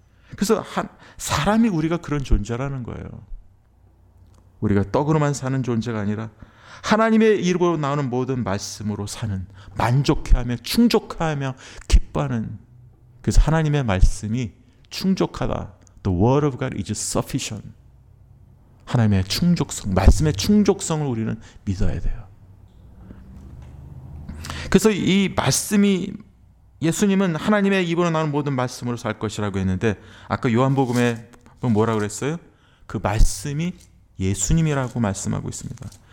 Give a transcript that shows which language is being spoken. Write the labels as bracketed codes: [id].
[ko] 그래서 사람이 우리가 그런 존재라는 거예요. 우리가 떡으로만 사는 존재가 아니라 하나님의 입으로 나오는 모든 말씀으로 사는, 만족해하며 충족하며 기뻐하는, 그래서 하나님의 말씀이 충족하다. [en] The word of God is sufficient. [ko] 하나님의 충족성, 말씀의 충족성을 우리는 믿어야 돼요. 그래서 이 말씀이, 예수님은 하나님의 입으로 나오는 모든 말씀으로 살 것이라고 했는데 아까 요한복음에 뭐라고 그랬어요? 그 말씀이 예수님이라고 말씀하고 있습니다.